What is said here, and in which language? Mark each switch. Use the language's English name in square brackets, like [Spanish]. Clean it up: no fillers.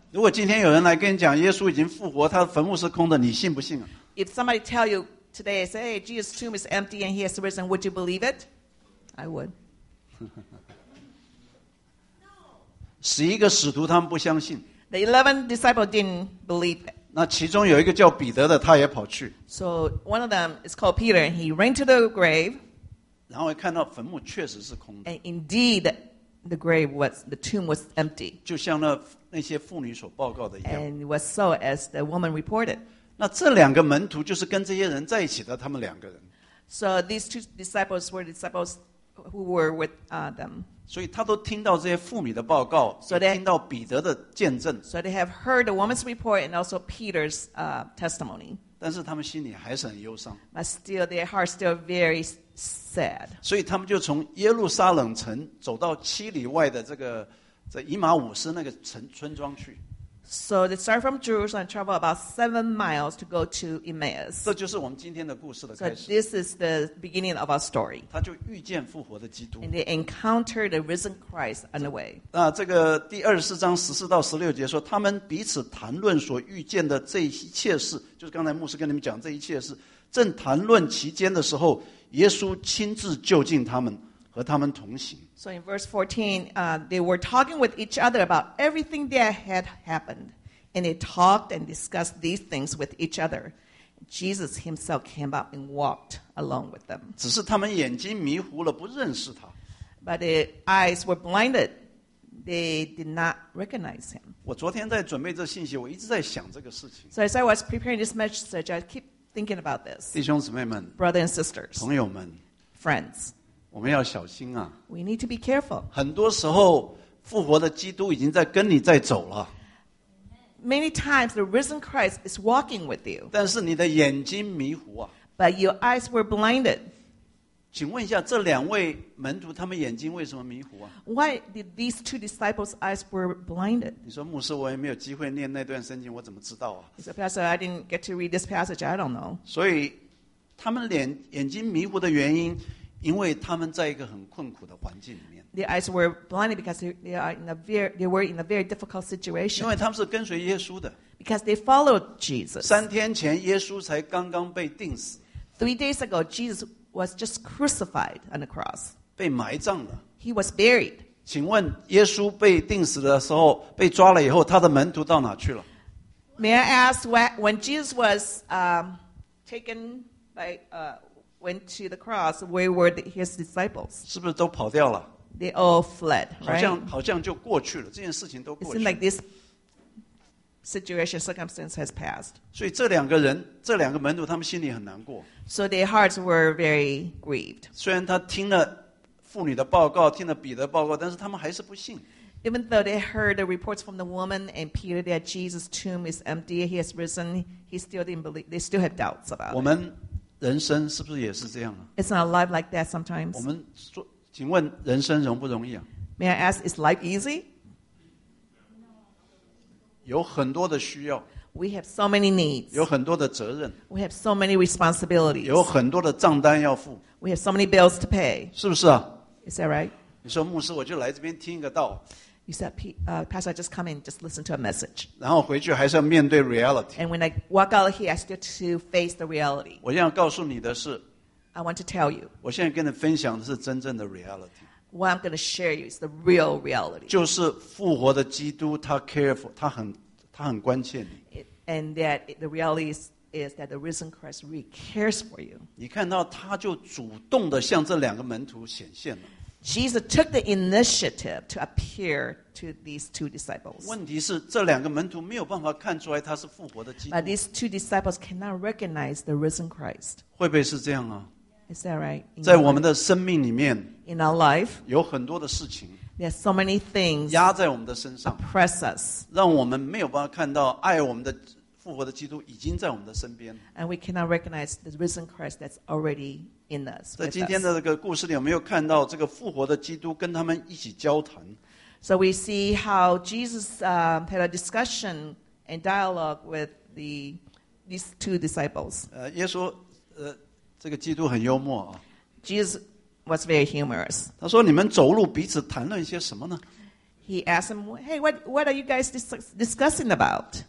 [Chinese] 如果今天有人来跟你讲耶稣已经复活，他的坟墓是空的，你信不信啊？ [English] If somebody tell you today, say, hey, Jesus' tomb is empty and he has risen, would you believe it? I would. [Chinese] 十一个使徒他们不相信。 [English] The 11 disciples didn't believe it. [Chinese] 那其中有一个叫彼得的，他也跑去。 [English] So one of them is called Peter, and he ran to the grave. [Chinese] 然后看到坟墓确实是空的。 [English] And indeed, the grave was the tomb was empty. [Chinese] 就像那些妇女所报告的一样。 [English] And it was so as the woman reported. [Chinese] 那这两个门徒就是跟这些人在一起的，他们两个人。 [English] So these two disciples were disciples who were with them. [Chinese] 所以他都听到这些妇女的报告，听到彼得的见证。 [English] So they have heard the woman's report and also Peter's testimony. [Chinese] 但是他们心里还是很忧伤。 [English] But still, their heart still very sad. [Chinese] 所以他们就从耶路撒冷城走到七里外的这以马忤斯那个村庄去。 [English] So they start from Jerusalem and travel about 7 miles to go to Emmaus. [Chinese] 这就是我们今天的故事的开始。 [English] So this is the beginning of our story. [Chinese] 他就遇见复活的基督。 [English] And they encountered the risen Christ on the way. [Chinese] 这个第二十四章十四到十六节说，他们彼此谈论所遇见的这一切事，就是刚才牧师跟你们讲这一切事，正谈论其间的时候，耶稣亲自就近他们。和他们同行。 [English] So in verse 14, they were talking with each other about everything that had happened. And they talked and discussed these things with each other. Jesus himself came up and walked along with them. [Chinese] 只是他们眼睛迷糊了，不认识他。 [English] But their eyes were blinded. They did not recognize him. [Chinese] 我昨天在准备这信息，我一直在想这个事情。 [English] So as I was preparing this message, I keep thinking about this. [Chinese] 弟兄姊妹们。 [English] Brothers and sisters. [Chinese] 朋友们。 [English] Friends. [Chinese] 我们要小心啊。 [English] We need to be careful. [Chinese] 很多时候复活的基督已经在跟你在走了。 [English] Many times the risen Christ is walking with you. [Chinese] 但是你的眼睛迷糊啊。 [English] But your eyes were blinded. [Chinese] 请问一下这两位门徒他们眼睛为什么迷糊啊？ [English] Why did these two disciples' eyes were blinded? [Chinese] 你说牧师我也没有机会念那段圣经我怎么知道啊？ [English] He said, Pastor, I didn't get to read this passage, I don't know. [Chinese] 所以他们眼睛迷糊的原因因为他们在一个很困苦的环境里面。 [English] Their eyes were blinded because they were in a very difficult situation. [Chinese] 因为他们是跟随耶稣的。 [English] Because they followed Jesus. [Chinese] 三天前耶稣才刚刚被钉死。 [English] 3 days ago, Jesus was just crucified on the cross. [Chinese] 被埋葬了。 [English] He was buried. [Chinese] 请问耶稣被钉死的时候被抓了以后他的门徒到哪去了 [English] May I ask when Jesus was taken by went to the cross where were his disciples [Chinese] 是不是都跑掉了 [English] They all fled、right? [Chinese] 好像就过去了这件事情都过去了 [English] It seems like this situation circumstance has passed [Chinese] 所以这两个门徒他们心里很难过 [English] So their hearts were very grieved [Chinese] 虽然他听了妇女的报告听了彼得报告但是他们还是不信 [English] Even though they heard the reports from the woman and Peter that Jesus' tomb is empty he has risen he still didn't believe they still have doubts about it [Chinese] 我们人生是不是也是这样、啊、 [English] It's not life like that sometimes [Chinese] 我们说请问人生容不容易、啊、 [English] May I ask is life easy? [Chinese] 有很多的需要 [English] We have so many needs [Chinese] 有很多的责任 [English] We have so many responsibilities [Chinese] 有很多的账单要付 [English] We have so many bills to pay [Chinese] 是不是啊 [English] Is that right? [Chinese] 你说牧师我就来这边听一个道 [English] You said Pastor just come in just listen to a message [Chinese] 然后回去还是要面对 reality [English] And when I walk out of here I still to face the reality [Chinese] 我现在告诉你的是 [English] I want to tell you [Chinese] 我现在跟你分享的是真正的 reality [English] What I'm going to share you is the real reality [Chinese] 就是复活的基督他 [English] care for [Chinese] 他很关切你 [English] And that the reality is that the risen Christ really cares for you. [Chinese] 你看到他就主动地向这两个门徒显现了。 [English] Jesus took the initiative to appear to these two disciples. [Chinese] 问题是这两个门徒没有办法看出来他是复活的基督。 [English] But these two disciples cannot recognize the risen Christ. [Chinese] 会不会是这样啊 [English] Is that right? [Chinese] 在我们的生命里面 [English] In our life, [Chinese] 有很多的事情 [English] there are so many things [Chinese] 压在我们的身上 [English] oppress us. [Chinese] 让我们没有办法看到爱我们的复活的基督已经在我们的身边。 [English] And we cannot recognize the risen Christ that's already in us. [Chinese] 在今天的这个故事里，我们又看到这个复活的基督跟他们一起交谈。 [English] So we see how Jesus had a discussion and dialogue with these two disciples. [Chinese] 耶稣，这个基督很幽默啊。 [English] Jesus was very humorous. [Chinese] 他说：“你们走路彼此谈论一些什么呢？” [English] He asked him, "Hey, what are you guys discussing about?"